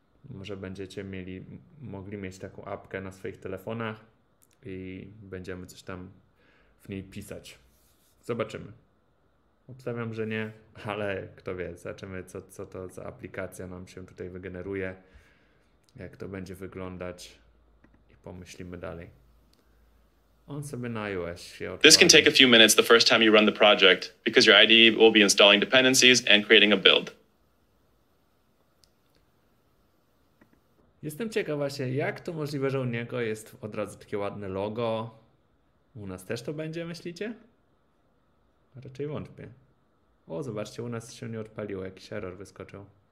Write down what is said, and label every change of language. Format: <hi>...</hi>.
<pl>Może będziecie mogli mieć taką apkę na swoich telefonach i będziemy coś tam w niej pisać. Zobaczymy. Obstawiam, że nie, ale kto wie, zobaczymy, co to za aplikacja nam się tutaj wygeneruje, jak to będzie wyglądać i pomyślimy dalej. On sobie na iOS się odpali.</pl> <en>This can take a few minutes the first time you run the project, because your IDE will be installing dependencies and creating a build.</en> <pl>Jestem ciekawa się, jak to możliwe, że u niego jest od razu takie ładne logo. U nas też to będzie, myślicie? Raczej wątpię. O, zobaczcie, u nas się nie odpaliło, jakiś error wyskoczył.</pl>